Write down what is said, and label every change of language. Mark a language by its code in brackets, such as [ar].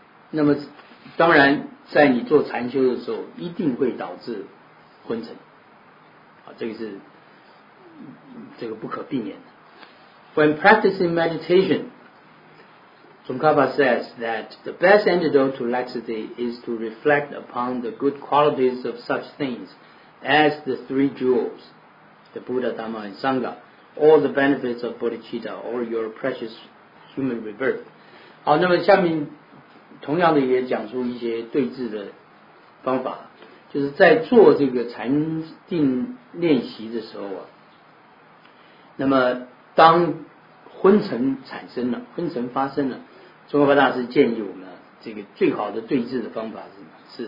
[zh] 那么当然在你做禅修的时候一定会导致昏沉，这个是这个不可避免的。 [en] When practicing meditation， Tsongkhapa says that the best antidote to laxity is to reflect upon the good qualities of such things as the three jewels, the Buddha, Dhamma and Sangha, all the benefits of bodhicitta or your precious human rebirth。 [zh] 好，那么下面同样的也讲出一些对治的方法，就是在做这个禅定练习的时候啊，那么当昏沉产生了，昏沉发生了，宗喀巴大师建议我们这个最好的对治的方法是什么？